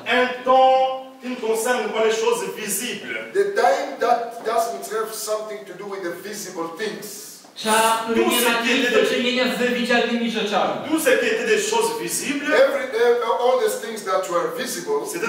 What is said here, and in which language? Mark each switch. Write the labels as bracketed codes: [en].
[fr] Un temps qui ne concerne pas les choses visibles. [en] The time that doesn't have something to do with the visible things. [pl] Czas, który nie ma do czynienia z widzialnymi rzeczami. [en] All these things that were visible.